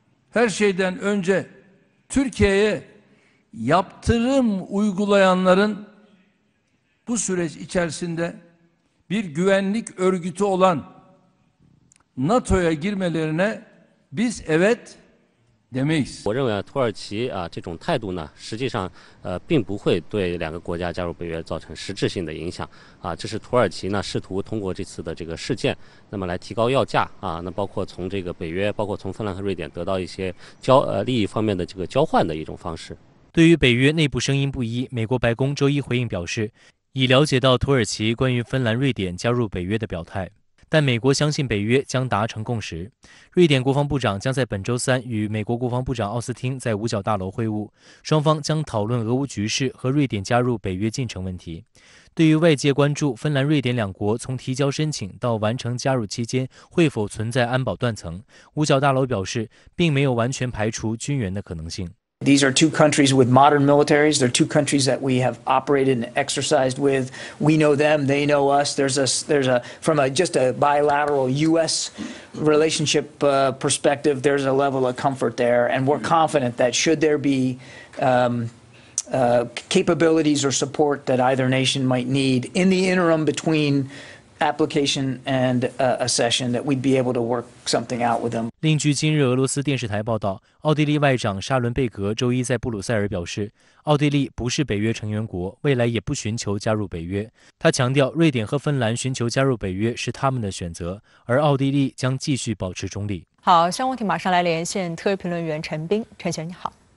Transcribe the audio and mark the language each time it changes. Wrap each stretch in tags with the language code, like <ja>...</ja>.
<tr>Her şeyden önce Türkiye'ye yaptırım uygulayanların bu süreç içerisinde bir güvenlik örgütü olan NATO'ya girmelerine biz evet demeyiz.</tr> <zh>我认为土耳其这种态度呢，实际上并不会对两个国家加入北约造成实质性的影响这是土耳其呢试图通过这次的这个事件，那么来提高要价那包括从这个北约，包括从芬兰和瑞典得到一些利益方面的这个交换的一种方式。对于北约内部声音不一，美国白宫周一回应表示，已了解到土耳其关于芬兰、瑞典加入北约的表态。但美国相信北约将达成共识。瑞典国防部长将在本周三与美国国防部长奥斯汀在五角大楼会晤，双方将讨论俄乌局势和瑞典加入北约进程问题。对于外界关注芬兰、瑞典两国从提交申请到完成加入期间会否存在安保断层，五角大楼表示并没有完全排除军援的可能性。</zh> <en>These are two countries with modern militaries. They're two countries that we have operated and exercised with. We know them. They know us. There's a from a just a bilateral U.S. relationship perspective, there's a level of comfort there. And we're confident that should there be capabilities or support that either nation might need in the interim between application and accession, that we'd be able to work something out with them.</en> <zh>另据今日俄罗斯电视台报道，奥地利外长沙伦贝格周一在布鲁塞尔表示，奥地利不是北约成员国，未来也不寻求加入北约。他强调，瑞典和芬兰寻求加入北约是他们的选择，而奥地利将继续保持中立。好，相关问题马上来连线特约评论员陈斌。陈先生你好。</zh>